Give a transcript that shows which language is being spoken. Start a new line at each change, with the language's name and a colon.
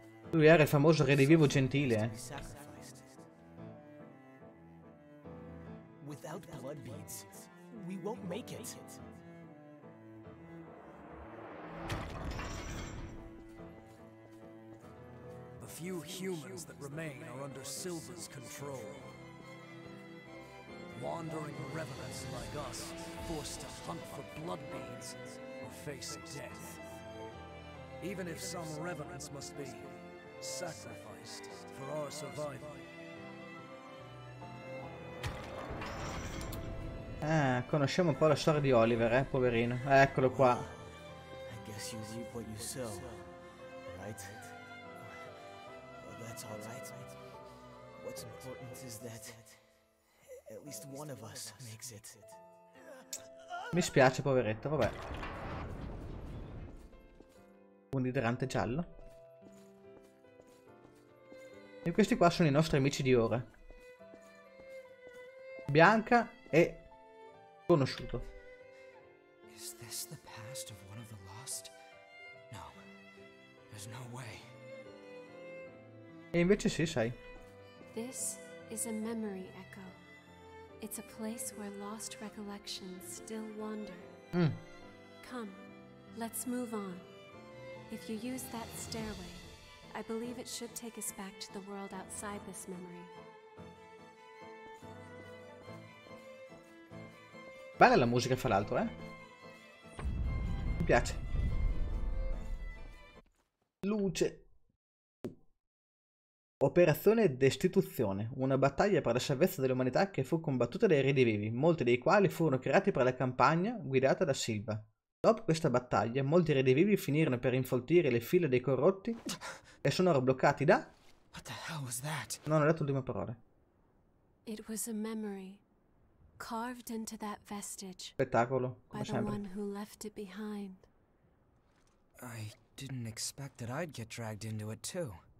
Italian: Lui era il famoso Re di Vivo Gentile, eh.
English: Without blood beads, we won't make it. The few humans that remain are under Silver's control. Wandering revenants like us, forced to hunt for blood beads, or face death. Even if some revenants must be sacrificed for our survival.
Italian: Conosciamo un po' la storia di Oliver, poverino. Eccolo qua.
English: I guess you reap what you sow, right? That's all right. What's important is that at least one of us makes it.
Italian: Mi spiace, poveretto, vabbè. Un idrante giallo. E questi qua sono i nostri amici di ora. Bianca e conosciuto.
English: Is this the past of one of the lost? No. There's no way.
Italian: E invece sì, sai.
English: This is a memory echo. It's a place where lost recollections still wander. Come, let's move on. If you use that stairway, I believe it should take us back to the world outside this memory.
Italian: Bella la musica, fra l'altro, Mi piace. Luce. Operazione Destituzione. Una battaglia per la salvezza dell'umanità che fu combattuta dai Redi Vivi, molti dei quali furono creati per la campagna guidata da Silva. Dopo questa battaglia, molti Redi Vivi finirono per infoltire le file dei corrotti e sono ora bloccati da...
English: What the hell was that?
Italian: Non ho letto l'ultima parola.
English: It was a memory. Carved into that vestige.
Italian: Spettacolo, come sempre.
English: By the one who left it behind. I didn't expect that I'd get dragged into it too.